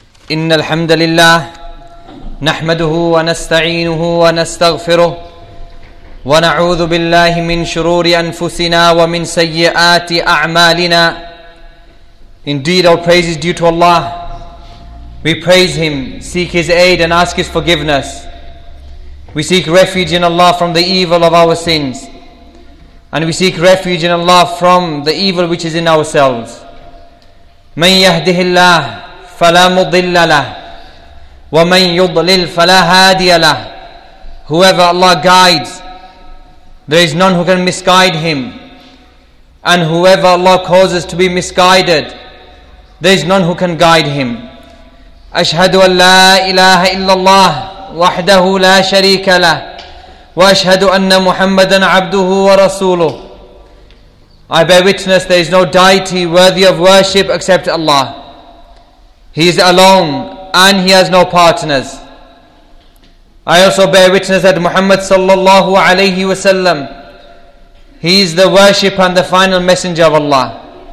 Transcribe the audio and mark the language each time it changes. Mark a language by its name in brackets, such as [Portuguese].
[Arabic] إن الحمد لله نحمده ونستعينه ونستغفره ونعوذ بالله من شرور أنفسنا ومن سيئات أعمالنا. [English] Indeed, all praise is due to Allah. We praise Him, seek His aid and ask His forgiveness. We seek refuge in Allah from the evil of our sins. And we seek refuge in Allah from the evil which is in ourselves. [Arabic] من يهده الله فلا مضل له ومن يضلل فلا هادي له. [English] Whoever Allah guides, there is none who can misguide him. And whoever Allah causes to be misguided, there is none who can guide him. [Arabic] أشهد أن لا إله إلا الله وحده لا شريك له وأشهد أن محمدا عبده ورسوله. [English] I bear witness there is no deity worthy of worship except Allah. He is alone and He has no partners. I also bear witness that Muhammad sallallahu alayhi wasallam, he is the worship and the final messenger of Allah.